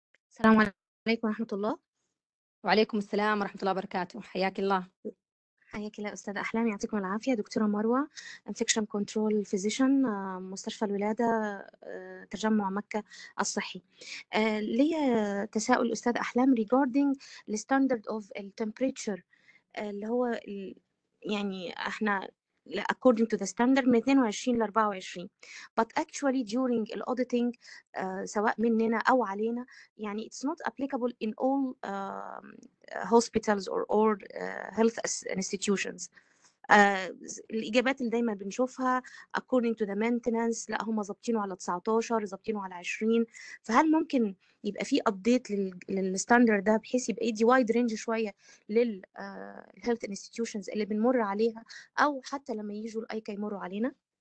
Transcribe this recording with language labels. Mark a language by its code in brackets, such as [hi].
[ar] السلام عليكم ورحمة الله. وعليكم السلام ورحمة الله وبركاته، حياك الله. حياك الله أستاذ أحلام، يعطيكم العافية. دكتورة مروة Infection Control Physician مستشفى الولادة تجمع مكة الصحي. لي تساؤل أستاذ أحلام [en] regarding the standard of temperature [ar] اللي هو يعني احنا [en] according to the standard 22 ل 24، but actually during the auditing [ar] سواء مننا او علينا يعني [en] it's not applicable in all hospitals or health institutions. [ar] الاجابات اللي دايما بنشوفها [en] according to the maintenance [ar] لا هم ظابطينه على 19 ظابطينه على 20، فهل ممكن يبقى في ابديت للستاندرد ده بحيث يبقى يدي وايد رينج شويه للهيلث انستتيوشنز اللي بنمر عليها او حتى لما يجوا الاي كي يمروا علينا؟